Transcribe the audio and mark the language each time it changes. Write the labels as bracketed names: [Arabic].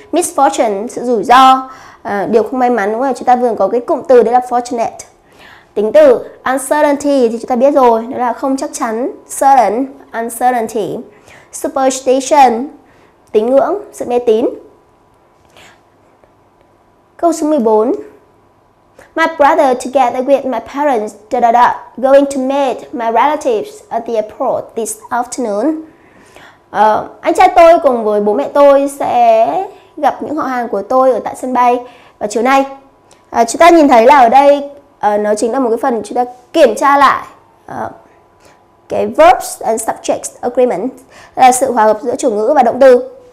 [Vietnamese] Misfortune, sự rủi ro, điều không may mắn, đúng không? Chúng ta vừa có cái cụm từ đấy là fortunate. Tính từ uncertainty thì chúng ta biết rồi, đó là không chắc chắn, certain, uncertainty. Superstition, tín ngưỡng, sự mê tín. Câu số 14. [English] My brother together with my parents going to meet my relatives at the airport this afternoon. [Vietnamese] Anh trai tôi cùng với bố mẹ tôi sẽ gặp những họ hàng của tôi ở tại sân bay vào chiều nay. Chúng ta nhìn thấy là ở đây nó chính là một cái phần chúng ta kiểm tra lại cái [English] verbs and subjects agreement, [Vietnamese] là sự hòa hợp giữa chủ ngữ và động từ.